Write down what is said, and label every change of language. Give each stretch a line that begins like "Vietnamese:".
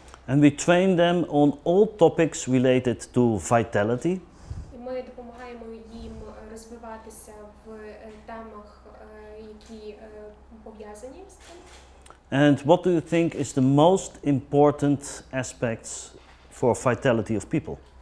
English: And we train them on all topics related to vitality.
Ukrainian: Ми допомагаємо їм розвиватися в темах, які пов'язані з цим.
English: And what do you think is the most important aspects for vitality of people?